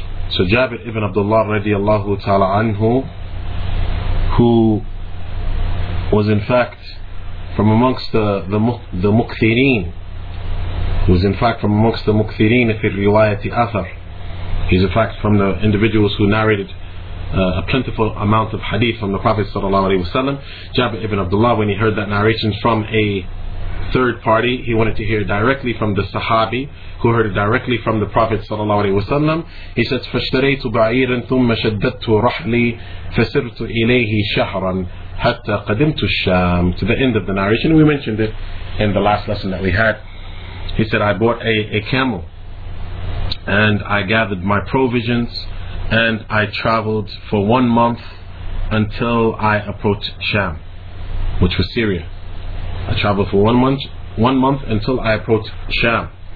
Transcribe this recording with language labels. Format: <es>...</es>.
<en>So Jabir ibn Abdullah radiallahu ta'ala anhu, who was in fact from amongst the Mukthirin, fi riwayati athar, he's in fact from the individuals who narrated a plentiful amount of hadith from the Prophet sallallahu alaihi wasallam. Jabir ibn Abdullah, when he heard that narration from a third party, he wanted to hear directly from the Sahabi, who heard it directly from the Prophet sallallahu alaihi wasallam. He said,</en> <ar>فَاشْتَرَيْتُ بَعِيرًا ثُمَّ شَدَّدْتُ رَحْلِي فَسِرْتُ إِلَيْهِ شَهْرًا حَتَّى قَدِمْتُ الشَّامِ,</ar> <en>to the end of the narration. We mentioned it in the last lesson that we had. He said, I bought a camel, and I gathered my provisions, and I traveled for 1 month until I approached Sham, which was Syria. I traveled for 1 month, until I approached Sham.</en>